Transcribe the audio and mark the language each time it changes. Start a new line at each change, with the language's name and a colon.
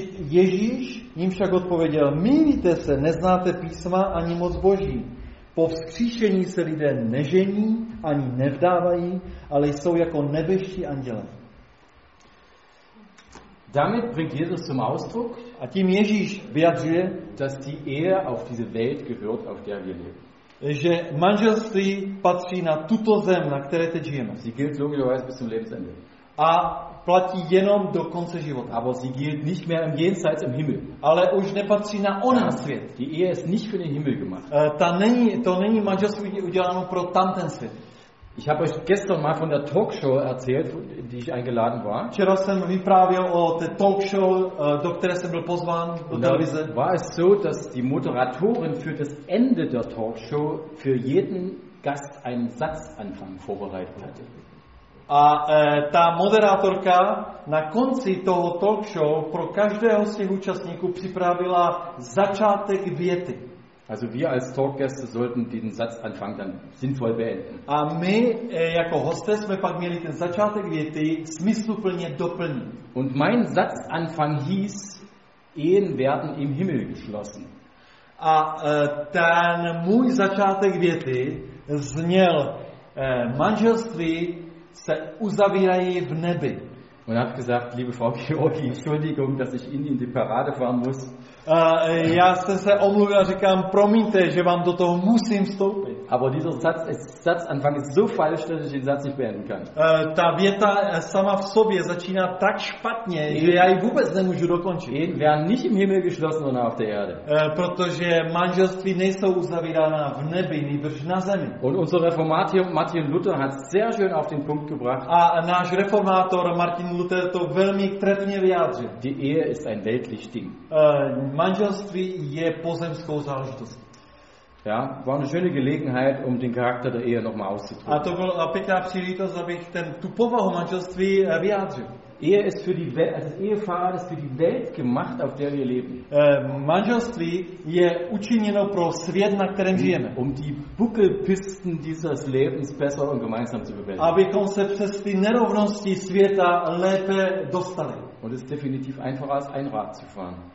Czech: Ježíš jim však odpověděl, mýlíte se, neznáte písma ani moc Boží. Po vzkříšení se lidé nežení ani nevdávají, ale jsou jako nebeští anděle.
German: Damit bringt Jesus zum Ausdruck,
Czech: a tím Ježíš vyjadřuje,
German: dass die Ehe auf diese Welt gehört, auf der wir leben.
Czech: Že manželství patří na tuto zem, na které teď žijeme.
German: Sie gilt logischerweise bis zum Lebensende.
Czech: A platí jenom do konce života.
German: Aber sie gilt nicht mehr im Jenseits im Himmel.
Czech: Ale už nepatří na onen svět.
German: Die Ehe ist nicht für den Himmel gemacht.
Czech: To není manželství uděláno pro tamten svět.
German: Ich habe euch gestern mal von der Talkshow erzählt, die ich eingeladen war.
Czech: Včera jsem vyprávěl o té Talkshow, do které jsem byl pozván do televize.
German: War es so, dass die Moderatorin für das Ende der Talkshow für jeden Gast einen Satzanfang vorbereitet hatte.
Czech: A ta moderátorka na konci toho talk show pro každého z těch účastníků připravila začátek věty.
German: Also wir als Talkgäste sollten diesen Satzanfang dann sinnvoll beenden.
Czech: A my jako hosté jsme pak měli ten začátek věty smysluplně doplnit.
German: Und mein Satzanfang hieß: Ehen werden im Himmel geschlossen.
Czech: A ten můj začátek věty zněl: manželství se uzavírají v nebi.
German: Und hat gesagt, liebe Frau Georgi, Entschuldigung, dass ich Ihnen in die Parade fahren muss.
Czech: Já jsem se omluvil a říkám, promiňte, že vám do toho musím vstoupit.
German: Aber dieser Satzanfang ist so falsch, dass ich den Satz nicht beenden kann.
Czech: Ta věta sama v sobě začíná tak špatně, že já ji vůbec nemůžu dokončit.
German: Ehen werden nicht im Himmel geschlossen, sondern auf der Erde.
Czech: Protože manželství nejsou uzavírána v nebi, nýbrž na zemi.
German: Und unser Reformator Martin Luther hat sehr schön auf den Punkt gebracht.
Czech: A náš reformátor Martin Luther to velmi trefně vyjádřil.
German: Die Ehe ist ein weltliches Ding.
Czech: Manželství je pozemskou záležitostí.
German: Ja, war eine schöne Gelegenheit, um den Charakter der Ehe nochmal auszudrücken.
Czech: A to byla pěkná příležitost, abych tu povahu manželství vyjádřil.
German: Ehe ist für die Welt, das Ehepaar ist für die Welt gemacht, auf der wir leben.
Czech: Manželství je učiněno pro svět, na kterém žijeme.
German: Um die Buckelpisten dieses Lebens besser und gemeinsam zu bewältigen.
Czech: Abychom se přes ty nerovnosti světa lépe dostali.
German: Und es ist definitiv einfacher, als ein Rad zu fahren.